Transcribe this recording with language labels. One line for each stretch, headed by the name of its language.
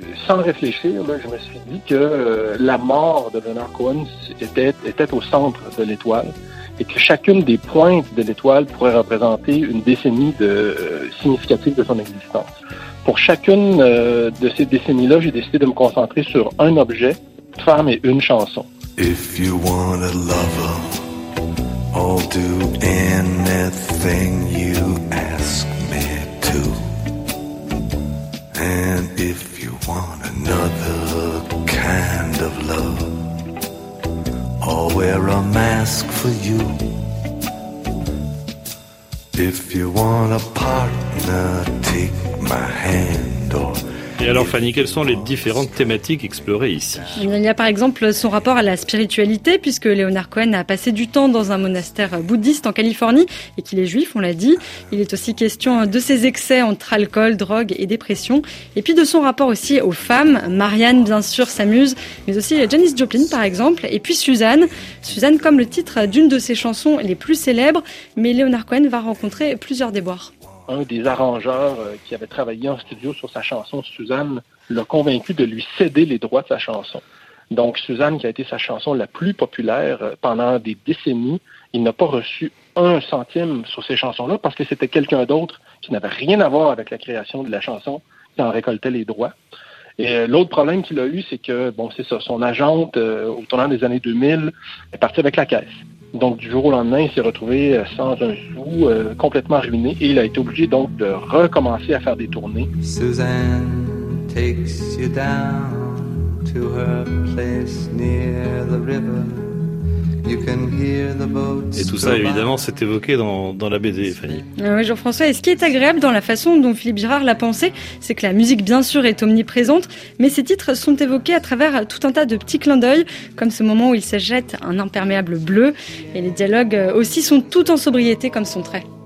French: Sans réfléchir, là, je me suis dit que la mort de Leonard Cohen était au centre de l'étoile. Et que chacune des pointes de l'étoile pourrait représenter une décennie significative de son existence. Pour chacune de ces décennies-là, j'ai décidé de me concentrer sur un objet, une femme et une chanson.
English: If you want a lover, I'll do anything you ask me to. And if you want another kind of love, I'll wear a mask for you. If you want a partner, take my hand.
French: Et alors Fanny, quelles sont les différentes thématiques explorées ici? Il y a par exemple son rapport à la spiritualité, puisque Leonard Cohen a passé du temps dans un monastère bouddhiste en Californie, et qu'il est juif, on l'a dit. Il est aussi question de ses excès entre alcool, drogue et dépression. Et puis de son rapport aussi aux femmes, Marianne bien sûr s'amuse, mais aussi Janis Joplin par exemple, et puis Suzanne. Suzanne comme le titre d'une de ses chansons les plus célèbres, mais Leonard Cohen va rencontrer plusieurs déboires. Un des arrangeurs qui avait travaillé en studio sur sa chanson, Suzanne, l'a convaincu de lui céder les droits de sa chanson. Donc, Suzanne, qui a été sa chanson la plus populaire pendant des décennies, il n'a pas reçu un centime sur ces chansons-là parce que c'était quelqu'un d'autre qui n'avait rien à voir avec la création de la chanson qui en récoltait les droits. Et l'autre problème qu'il a eu, c'est que, bon, c'est ça, son agente, au tournant des années 2000, est partie avec la caisse. Donc, du jour au lendemain, il s'est retrouvé sans un sou, complètement ruiné, et il a été obligé donc de recommencer à faire des tournées.
English: Suzanne takes you down to her place near the river. You can hear the boats.
French: Et tout ça, évidemment, c'est évoqué dans la BD, Fanny. Oui, Jean-François, et ce qui est agréable dans la façon dont Philippe Girard l'a pensé, c'est que la musique, bien sûr, est omniprésente, mais ses titres sont évoqués à travers tout un tas de petits clins d'œil, comme ce moment où il s'achète un imperméable bleu, et les dialogues aussi sont tout en sobriété, comme son trait.